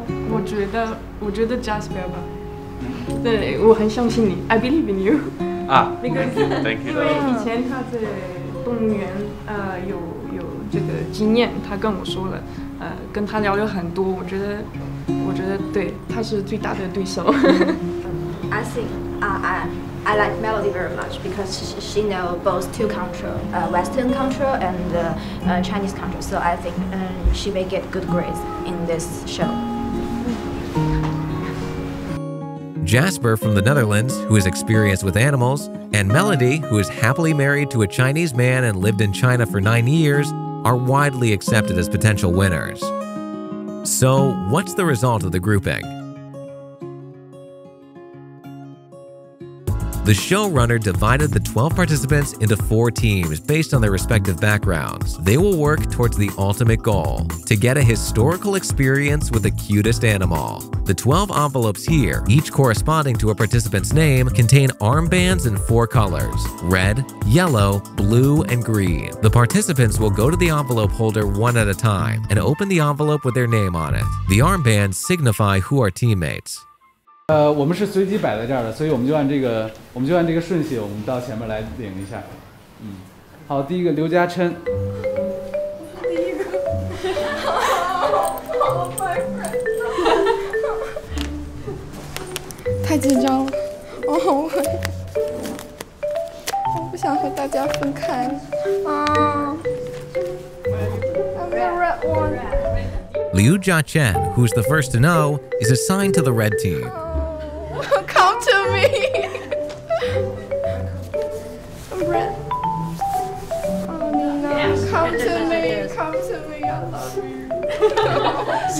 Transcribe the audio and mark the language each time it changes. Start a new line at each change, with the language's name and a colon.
Chinese: 我觉得 Jasper 吧。对，我很相信你。
English: I believe in you.
Chinese: 因为以前他在动物园有这个经验，他跟我说了，跟他聊了很多。我觉得对，他是最大的对手。
English: I think I like Melody very much because she know both two country, Western country and Chinese country. So I think she may get good grades in this show. Jasper from the Netherlands, who is experienced with animals, and Melody, who is happily married to a Chinese man and lived in China for 9 years, are widely accepted as potential winners. So, what's the result of the grouping? The showrunner divided the 12 participants into four teams based on their respective backgrounds. They will work towards the ultimate goal, to get a historical experience with the cutest animal. The 12 envelopes here, each corresponding to a participant's name, contain armbands in four colors: red, yellow, blue, and green. The participants will go to the envelope holder one at a time and open the envelope with their name on it. The armbands signify who are teammates.
Chinese: 我们是随机摆在这儿的，所以我们就按这个顺序，我们到前面来领一下。嗯，好，第一个刘嘉琛。第一个，好烦人，太紧张了，我不想和大家分开啊。
English: Liu Jiachen, who is the first to know, is assigned to the red team. Come to me. I'm red. Come to me. I love you.